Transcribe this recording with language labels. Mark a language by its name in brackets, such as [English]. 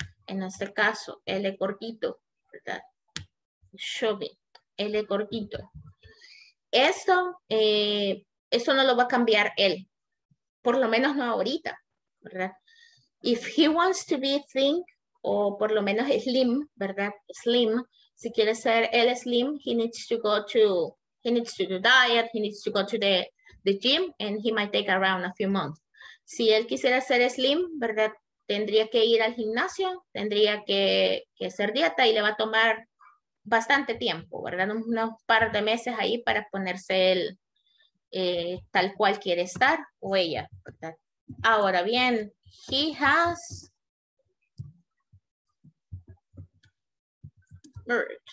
[Spanish] En este caso, él es cortito, ¿verdad? Chubby, él es cortito. Esto no lo va a cambiar él, por lo menos no ahorita, ¿verdad? [English] If he wants to be thin, [Spanish] o por lo menos [English] slim, [Spanish] ¿verdad? [English] Slim. [Spanish] Si quiere ser él [English] slim, he needs to go to the gym and he might take around a few months. [Spanish] si él quisiera ser slim, ¿verdad? Tendría que ir al gimnasio, tendría que hacer dieta y le va a tomar bastante tiempo, ¿verdad? Unos par de meses ahí para ponerse él tal cual quiere estar o ella, ¿verdad? Ahora bien, [English] he has beard.